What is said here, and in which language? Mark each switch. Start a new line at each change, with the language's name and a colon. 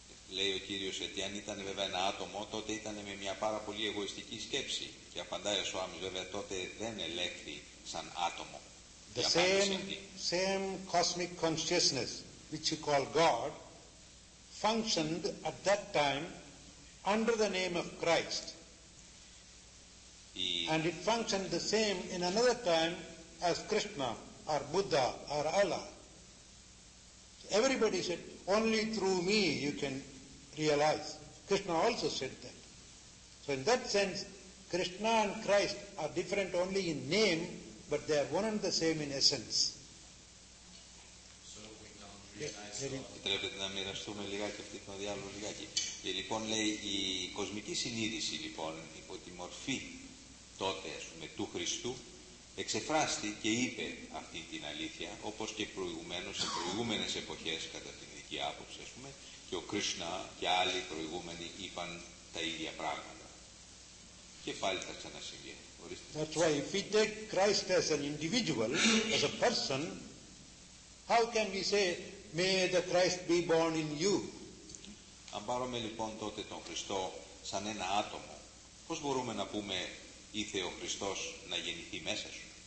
Greek: Λέει ο Κύριος ότι αν ήταν βέβαια ένα άτομο, τότε ήταν με μια πάρα πολύ εγωιστική σκέψη. Και απαντάει ο Σουάμις, βέβαια τότε δεν ελέγχθη σαν άτομο.
English: The same cosmic consciousness, which you call God, functioned at that time under the name of Christ. And it functioned the same in another time as Krishna, or Buddha, or Allah. Everybody said, only through me you can realize. Krishna also said that. So in that sense, Krishna and Christ are different only in name, but they are one and the same in essence. So we don't realize.
Greek: Επιτρέπετε να μοιραστούμε λιγάκι αυτή την διάλογο λιγάκι. Και λοιπόν λέει η κοσμική συνείδηση λοιπόν υπό τη μορφή τότε ας πούμε του Χριστού εξεφράστη και είπε αυτή την αλήθεια όπως και προηγουμένως σε προηγούμενες εποχές κατά την δική άποψη ας πούμε και ο Κρίσνα και άλλοι προηγούμενοι είπαν τα ίδια πράγματα. Και πάλι θα ξανασυμβεί.
English: That's why if we take Christ as an individual, as a person, how can we say, may the Christ be born in you?
Greek: Αν πάρουμε λοιπόν τότε τον Χριστό σαν ένα άτομο, πώς μπορούμε να πούμε ήθε ο Χριστός να γεννηθεί μέσα σου?